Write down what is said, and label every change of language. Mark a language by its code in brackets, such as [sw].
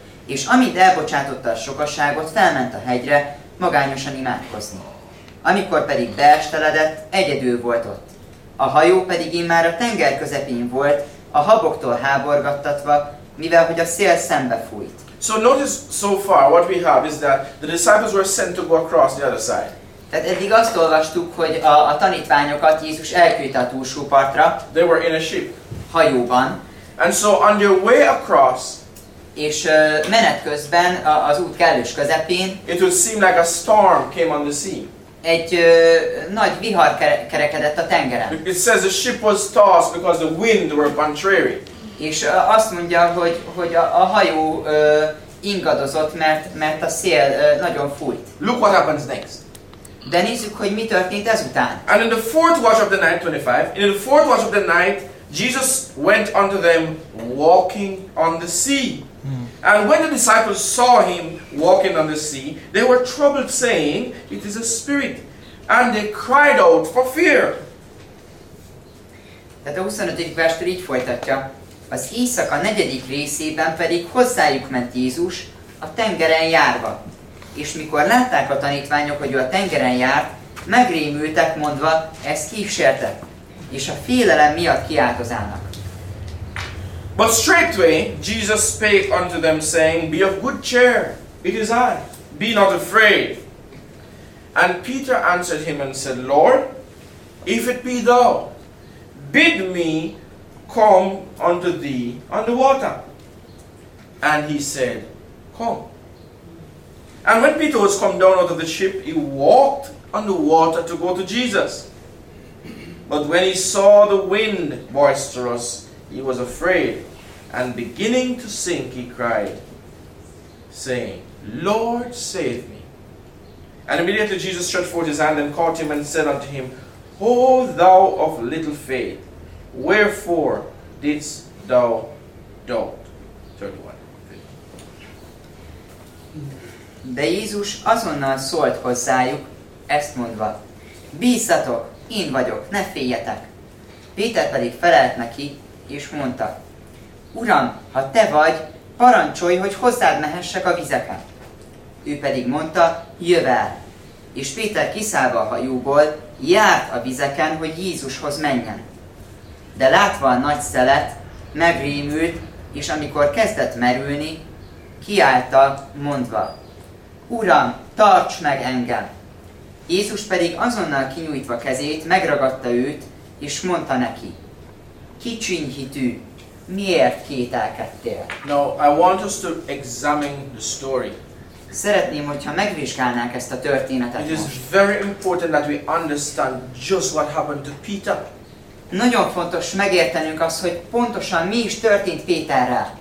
[hu] És amint elbocsátotta a sokaságot, felment a hegyre, magányosan imádkozni. Amikor pedig beesteledett, egyedül volt ott. A hajó pedig immár a tenger közepén volt, a haboktól háborgattatva, mivel hogy a szél szembe fújt. [en] So notice so far what we have is that the disciples were sent to go across the other side. [hu] Tehát eddig azt olvastuk, hogy a tanítványokat Jézus elküldte a túlsó partra. [en] They were in a ship. [hu] Hajóban. [en] And so on their way across. [hu] És menet közben az út kellős közepén. [en] It would seem like a storm came on the sea. [hu] Egy nagy vihar kerekedett a tengeren. [en] It says the ship was tossed because the wind were contrary. [hu] És azt mondja, hogy a hajó ingadozott, mert a szél nagyon fújt. [en] Look what happens next. [hu] De nézzük, hogy mi történt ezután. [en] And in the fourth watch of the night, 25, in the fourth watch of the night, Jesus went unto them walking on the sea. And when the disciples saw him walking on the sea, they were troubled, saying, it is a spirit. And they cried out for fear. [hu] Tehát a 25. verstől így folytatja. Az éjszaka negyedik részében pedig hozzájuk ment Jézus a tengeren járva. És mikor látták a tanítványok, hogy ő a tengeren járt, megrémültek, mondva, ez kísértet, és a félelem miatt kiáltozának. [en] But straightway Jesus spake unto them, saying, be of good cheer, it is I, be not afraid. And Peter answered him and said, Lord, if it be thou, bid me come unto thee on the water. And he said, come. And when Peter was come down out of the ship, he walked on the water to go to Jesus. But when he saw the wind boisterous, he was afraid, and beginning to sink, he cried, saying, Lord, save me. And immediately Jesus stretched forth his hand and caught him and said unto him, O thou of little faith, wherefore didst thou doubt? 31. [hu] De Jézus azonnal szólt hozzájuk, ezt mondva, bízzatok, én vagyok, ne féljetek. Péter pedig felelt neki, és mondta, Uram, ha te vagy, parancsolj, hogy hozzád mehessek a vizeket. Ő pedig mondta, jöv el. És Péter kiszállva a hajóból, járt a vizeken, hogy Jézushoz menjen. De látva a nagy szelet, megrémült, és amikor kezdett merülni, kiállta, mondva, Uram, tarts meg engem! Jézus pedig azonnal kinyújtva kezét, megragadta őt, és mondta neki, kicsiny hitű, miért kételkedtél? [en] Now, I want us to examine the story. [hu] Szeretném, hogyha megvizsgálnánk ezt a történetet. [en] It is very important that we understand just what happened to Peter. [hu] Nagyon fontos megértenünk azt, hogy pontosan mi is történt Péterrel.